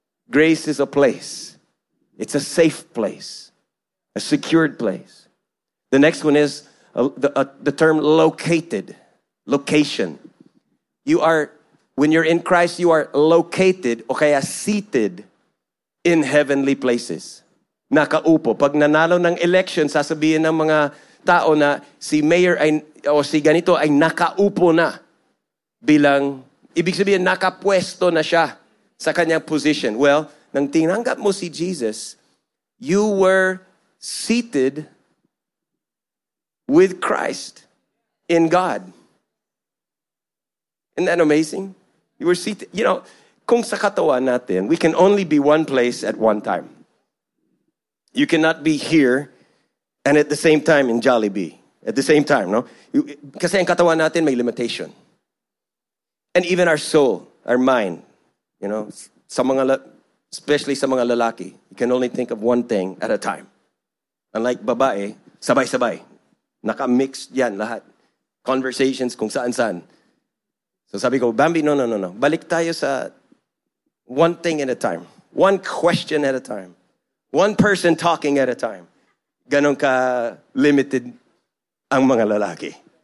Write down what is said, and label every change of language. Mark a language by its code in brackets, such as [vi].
[en] Grace is a place. It's a safe place. A secured place. The next one is the term located. Location. You are, when you're in Christ, you are located, [tl] o kaya [en] seated in heavenly places. [tl] Nakaupo. Pag nanalo ng election, sasabihin ng mga tao na si mayor ay, o si ganito ay nakaupo na. Bilang, ibig sabihin nakapwesto na siya sa kanyang position. [en] Well, [tl] nang tinanggap mo si Jesus, [en] you were seated with Christ in God. Isn't that amazing? You were seated. You know, [tl] kung sa katawan natin, [en] we can only be one place at one time. You cannot be here and at the same time in Jollibee. At the same time, no? [tl] Kasi ang katawan natin may limitation. [en] And even our soul, our mind, you know, especially [tl] sa mga lalaki, [en] you can only think of one thing at a time. [tl] Unlike babae, sabay-sabay. Naka-mixed yan lahat. Conversations kung saan-saan. So sabi ko, Bambi, no. Balik tayo sa [en] one thing at a time. One question at a time. One person talking at a time. [tl] Ganon ka limited ang mga lalaki.